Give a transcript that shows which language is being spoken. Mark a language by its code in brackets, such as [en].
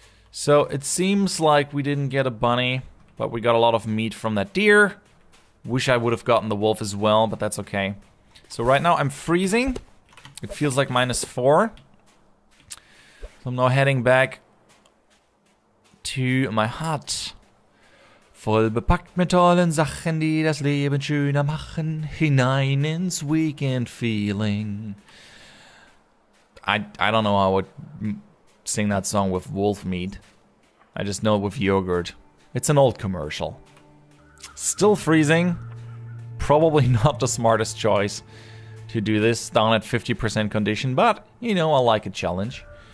[en] So it seems like we didn't get a bunny, but we got a lot of meat from that deer. Wish I would have gotten the wolf as well, but that's okay. So right now I'm freezing. It feels like -4. So I'm now heading back to my hut. [de] Voll bepackt mit tollen Sachen, die das Leben schöner machen, hinein ins Weekend feeling. [en] I don't know how I would sing that song with wolf meat. I just know it with yogurt. It's an old commercial. Still freezing. Probably not the smartest choice to do this down at 50% condition, but you know, I like a challenge.